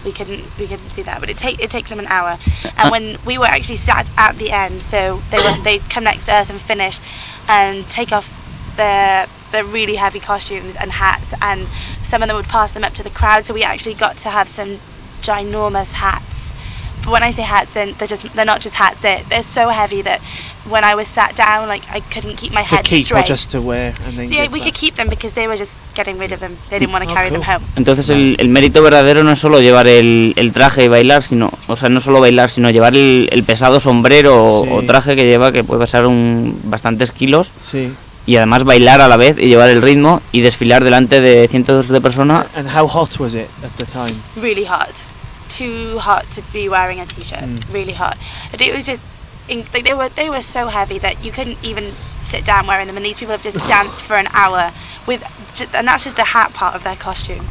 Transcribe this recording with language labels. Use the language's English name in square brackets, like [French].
[English] We couldn't see that, but it takes them an hour. And when we were actually sat at the end, so they'd come next to us and finish and take off their really heavy costumes and hats, and some of them would pass them up to the crowd. So we actually got to have some ginormous hats. But when I say hats, then they're not just hats. They're so heavy that when I was sat down, like, I couldn't keep my head straight. To keep or just to wear? So yeah, we could keep them because they were just getting rid of them. They didn't want to carry them home. [Spanish] Entonces el mérito verdadero no es solo llevar el traje y bailar, sino, o sea, no solo bailar, sino llevar el pesado sombrero o traje que lleva, que puede pesar bastantes kilos. Sí. Y además bailar a la vez y llevar el ritmo y desfilar delante de cientos de personas. [English] And how hot was it at the time? Really hot. Too hot to be wearing a t-shirt. Mm. Really hot. But it was just they were so heavy that you couldn't even sit down wearing them. And these people have just danced for an hour and that's just the hat part of their costume.